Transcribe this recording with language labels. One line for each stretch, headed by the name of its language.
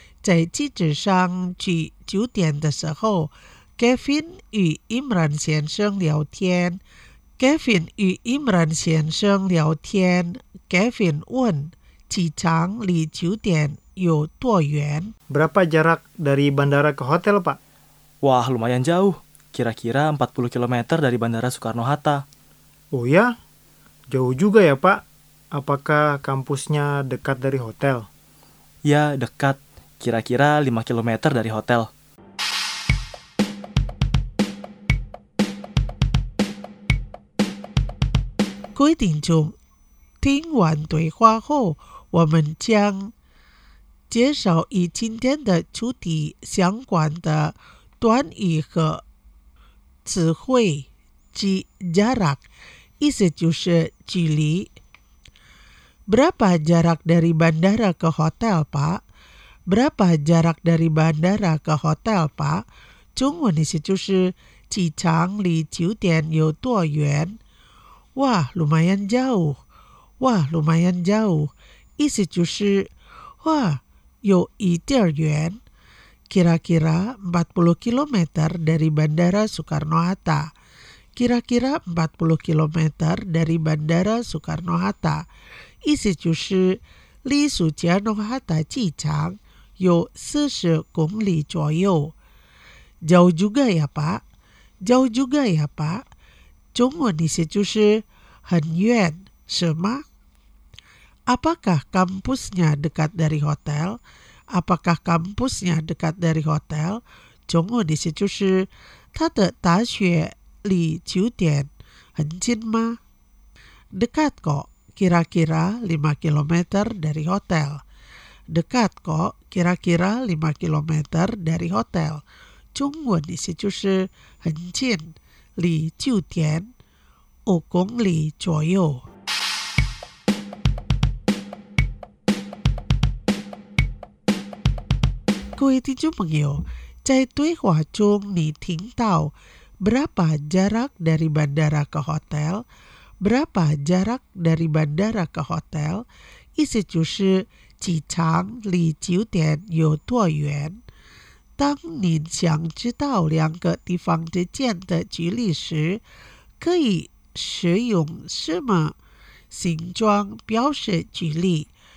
Chinese: 在机子上去酒店的时候， Gavin 与 Imran 先生聊天。 Gavin 与 Imran 先生聊天， Gavin 问机场离酒店有多远。
Indonesian: Berapa jarak dari bandara ke hotel, Pak? Wah, lumayan jauh. Kira-kira 40 km dari Bandara Soekarno-Hatta. Oh ya? Jauh juga ya, Pak. Apakah kampusnya dekat dari hotel? Ya, dekat. Kira-kira 5 km dari hotel.
Chinese: Kui Ding Chung, 听完对话后，我们将介绍与今天的主题相关的短语和词汇及 jarak， 意思就是距离。
Indonesian: Berapa jarak dari bandara ke hotel, Pak? Berapa jarak dari bandara ke hotel, Pak?
Chinese: 中文意思就是机场离酒店有多远。
Indonesian: Wah, lumayan jauh. Wah, lumayan jauh.
Chinese: 意思就是 Wah, 有一点远。
Indonesian: Kira-kira 40 km dari Bandara Soekarno-Hatta. Kira-kira 40 km dari Bandara Soekarno-Hatta.
Chinese: 意思就是离苏加诺哈塔机场有40公里左右。
Indonesian: Jauh juga ya, Pak. Jauh juga ya, Pak.
Chinese: 中文意思就是很远，是吗？
Indonesian: Apakah kampusnya dekat dari hotel? Apakah kampusnya dekat dari hotel?
Chinese: 中文意思就是他的大学离酒店很近吗？
Indonesian: Dekat kok, kira-kira 5 km dari hotel. Dekat kok, kira-kira 5 km dari hotel.
Chinese: 中文意思就是很近，离酒店5公里左右。各位听众朋友，在对话中你听到
Indonesian: berapa jarak dari bandara ke hotel? Berapa jarak dari bandara ke hotel?
Chinese: 意思就是机场离酒店有多远。当你想知道两个地方之间的距离时，可以使用什么形状表示距离？